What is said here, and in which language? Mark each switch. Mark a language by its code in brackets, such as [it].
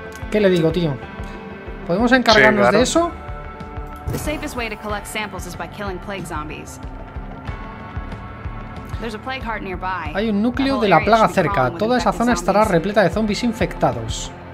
[es] ¿Qué le digo, tío? ¿Podemos encargarnos de eso? [en] The safest way to collect samples is by killing plague zombies. There's a plague heart nearby. [es] Hay un núcleo de la plaga cerca. Toda esa zona estará repleta de zombies infectados.